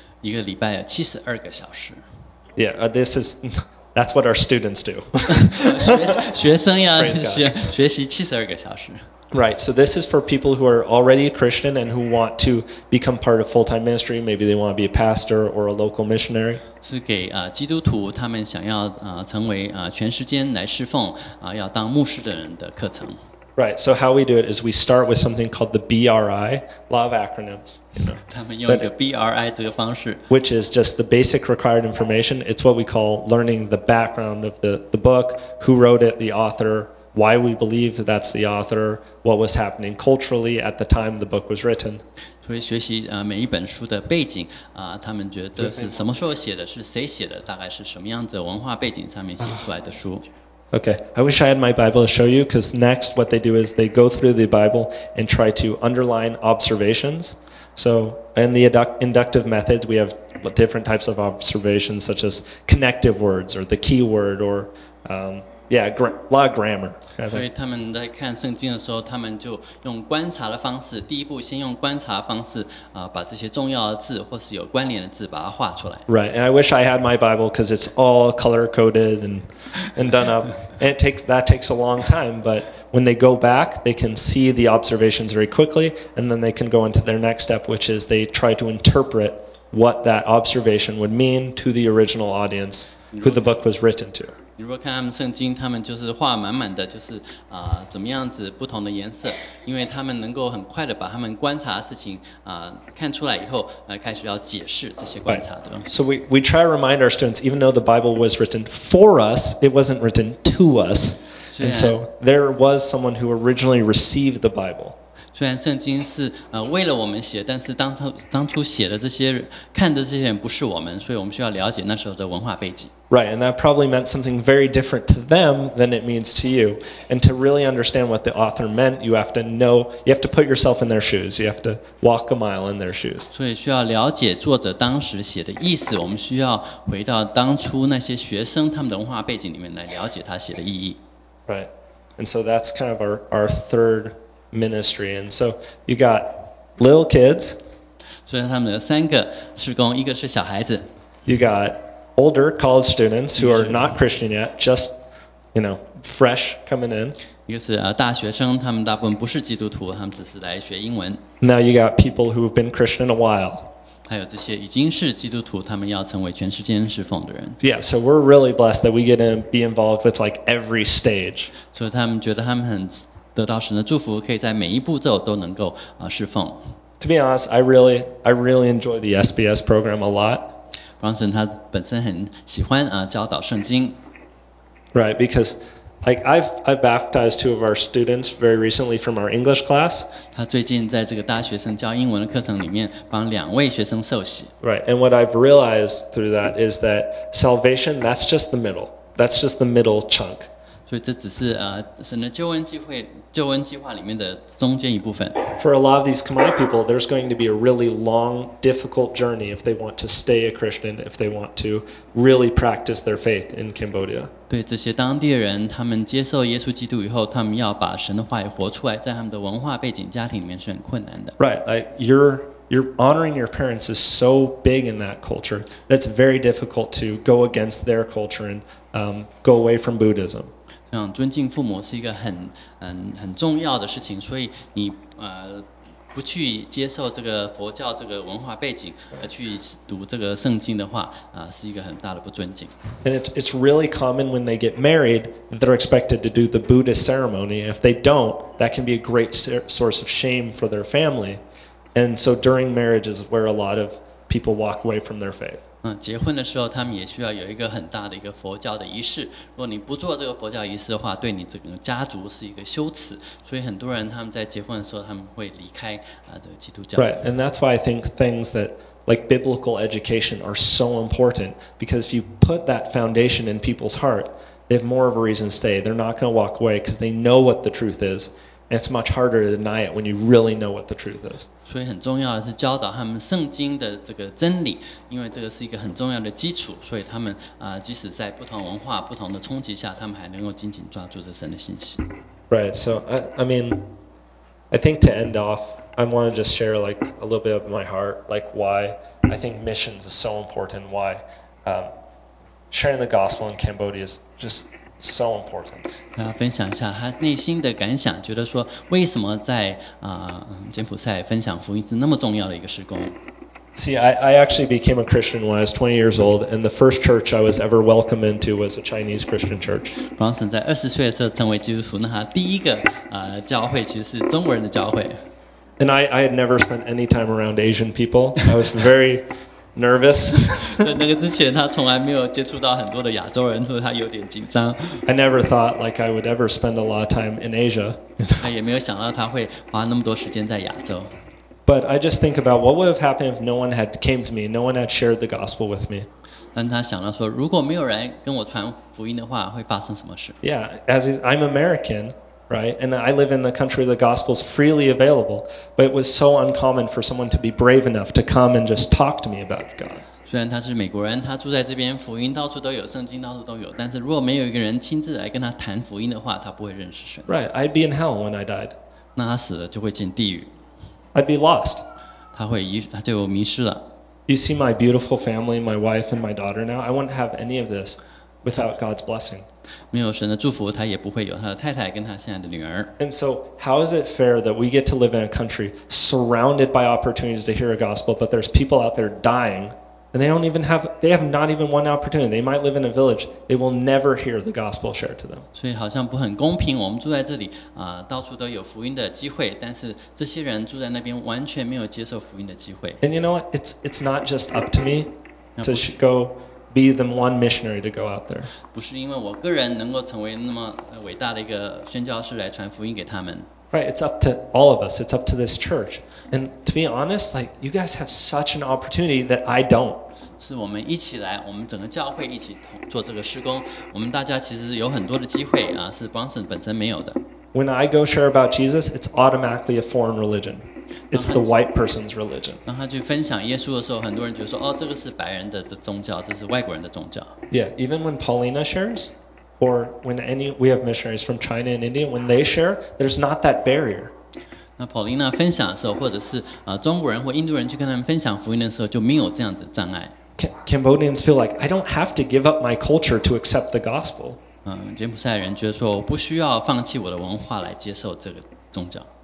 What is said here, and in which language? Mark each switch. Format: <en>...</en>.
<zh>一个礼拜72个小时。</zh> <en>Yeah, that's what our students do.</en> <zh>学生要学习72个小时。</zh> <en>Right, so this is for people who are already a Christian and who want to become part of full-time ministry. Maybe they want to be a pastor or a local missionary.</en> <zh>是给基督徒他们想要成为全时间来侍奉要当牧师的人的课程。</zh> <en>Right, so how we do it is we start with something called the BRI, a lot of acronyms. You know,</en> <zh>他们用一个 BRI 这个方式。</zh> <en>Which is just the basic required information. It's what we call learning the background of the book, who wrote it, the author, why we believe that that's the author, what was happening culturally at the time the book was written.</en> <zh>所以学习每一本书的背景他们觉得是什么时候写的，是谁写的，大概是什么样子文化背景上面写出来的书。</zh> <en>Okay, I wish I had my Bible to show you, because next what they do is they go through the Bible and try to underline observations. So in the inductive method, we have different types of observations, such as connective words or the key word or, a lot of grammar.</en> <zh>所以他们在看圣经的时候，他们就用观察的方式，第一步先用观察方式把这些重要的字或是有关联的字把它画出来。</zh> <en>Right, and I wish I had my Bible, because it's all color-coded and done up. And that takes a long time, but when they go back, they can see the observations very quickly, and then they can go into their next step, which is they try to interpret what that observation would mean to the original audience who the book was written to.</en> <zh>如果看他们圣经，他们就是画满满的，就是怎么样子不同的颜色，因为他们能够很快的把他们观察的事情看出来以后，开始要解释这些观察的东西。</zh> <en>Right. So we try to remind our students, even though the Bible was written for us, it wasn't written to us. And so there was someone who originally received the Bible.</en> <zh>虽然圣经是为了我们写，但是当初写的这些看的这些人不是我们，所以我们需要了解那时候的文化背景。</zh> <en>Right, and that probably meant something very different to them than it means to you. And to really understand what the author meant, you have to put yourself in their shoes. You have to walk a mile in their shoes.</en> <zh>所以需要了解作者当时写的意思，我们需要回到当初那些学生他们的文化背景里面来了解他写的意义。</zh> <en>Right, and so that's kind of our third ministry. And so you got little kids.</en> <zh>所以他们有三个事工，一个是小孩子。</zh> <en>You got older college students who are not Christian yet, just, you know, fresh coming in.</en> <zh>一个是大学生，他们大部分不是基督徒，他们只是来学英文。</zh> <en>Now you got people who have been Christian a while.</en> <zh>还有这些已经是基督徒，他们要成为全世界侍奉的人。</zh> <en>Yeah, so we're really blessed that we get to be involved with like every stage.</en> <zh>所以他们觉得他们很得到神的祝福，可以在每一步骤都能够侍奉。</zh> <en>To be honest, I really enjoy the SBS program a lot.</en> <zh>Bronson 他本身很喜欢教导圣经。</zh> <en>Right, because like I've baptized two of our students very recently from our English class.</en> <zh>他最近在这个大学生教英文的课程里面帮两位学生受洗。</zh> <en>Right, and what I've realized through that is that salvation, that's just the middle. That's just the middle chunk.</en> <zh>所以这只是神的救恩计划里面的中间一部分。</zh> <en>For a lot of these Khmer people, there's going to be a really long, difficult journey if they want to stay a Christian, if they want to really practice their faith in Cambodia.</en> <zh>对这些当地人，他们接受耶稣基督以后，他们要把神的话语活出来，在他们的文化背景、家庭里面是很困难的。</zh> <en>Right, like you're You're honoring your parents is so big in that culture that it's very difficult to go against their culture and go away from Buddhism.</en> <zh>尊敬父母是一个很重要的事情，所以你不去接受这个佛教这个文化背景，而去读这个圣经的话，是一个很大的不尊敬。</zh> <en>And it's really common when they get married that they're expected to do the Buddhist ceremony. If they don't, that can be a great source of shame for their family. And so during marriage is where a lot of people walk away from their faith.</en> <zh>结婚的时候，他们也需要有一个很大的一个佛教的仪式。如果你不做这个佛教仪式的话，对你整个家族是一个羞耻。所以很多人他们在结婚的时候，他们会离开这个基督教。</zh> <en>Right, and that's why I think things that like biblical education are so important. Because if you put that foundation in people's heart, they have more of a reason to stay. They're not going to walk away because they know what the truth is. It's much harder to deny it when you really know what the truth is.</en> <zh>所以很重要的是教导他们圣经的这个真理，因为这个是一个很重要的基础，所以他们即使在不同文化、不同的冲击下，他们还能够紧紧抓住这神的信息。</zh> <en>Right. So I think to end off, I want to just share like a little bit of my heart, like why I think missions is so important, why sharing the gospel in Cambodia is just. So important.</en> <zh>他分享一下他内心的感想，觉得说为什么在柬埔寨分享福音是那么重要的一个事工。</zh> <en>See, I actually became a Christian when I was 20 years old, and the first church I was ever welcomed into was a Chinese Christian church.</en> <zh>Bronson 在二十岁的时候成为基督徒，那他第一个教会其实是中国人的教会。</zh> <en>And I had never spent any time around Asian people. I was very nervous.</en> <zh>在那个之前，他从来没有接触到很多的亚洲人，所以他有点紧张。</zh> <en>I never thought like I would ever spend a lot of time in Asia.</en> <zh>他也没有想到他会花那么多时间在亚洲。</zh> <en>But I just think about what would have happened if no one had came to me, no one had shared the gospel with me.</en> <zh>但他想到说，如果没有人跟我传福音的话，会发生什么事</zh> <en>？Yeah, as I'm American. Right, and I live in the country the gospel is freely available, but it was so uncommon for someone to be brave enough to come and just talk to me about God.</en> <zh>虽然他是美国人，他住在这边，福音到处都有，圣经到处都有，但是如果没有一个人亲自来跟他谈福音的话，他不会认识神。</zh> <en>Right, I'd be in hell when I died.</en> <zh>那他死了就会进地狱。</zh> <en>I'd be lost.</en> <zh>他就迷失了。</zh> <en>You see my beautiful family, my wife and my daughter now. I wouldn't have any of this. Without God's blessing.</en> <zh>没有神的祝福，他也不会有他的太太跟他现在的女儿。</zh> <en>And so, how is it fair that we get to live in a country surrounded by opportunities to hear a gospel, but there's people out there dying, and they have not even one opportunity. They might live in a village, they will never hear the gospel shared to them.</en> <zh>所以好像不很公平，我们住在这里，到处都有福音的机会，但是这些人住在那边完全没有接受福音的机会。</zh> <en>And you know what? It's not just up to me to go. Be the one missionary to go out there.</en> <zh>不是因为我个人能够成为那么伟大的一个宣教士来传福音给他们。</zh> <en>Right, it's up to all of us. It's up to this church. And to be honest, like you guys have such an opportunity that I don't.</en> <zh>是我们一起来，我们整个教会一起做这个事工。我们大家其实有很多的机会啊，是 Bronson 本身没有的。</zh> <en>When I go share about Jesus, it's automatically a foreign religion. It's the white person's religion.</en> <zh>当他去分享耶稣的时候，很多人就说：“哦，这个是白人的宗教，这是外国人的宗教。”</zh> <en>Yeah, even when Paulina shares, or when we have missionaries from China and India, when they share, there's not that barrier.</en> <zh>那 Paulina 分享的时候，或者是中国人或印度人去跟他们分享福音的时候，就没有这样的障碍。</zh> <en>Cambodians feel like I don't have to give up my culture to accept the gospel.</en> <zh>柬埔寨人觉得说我不需要放弃我的文化来接受这个宗教。</zh>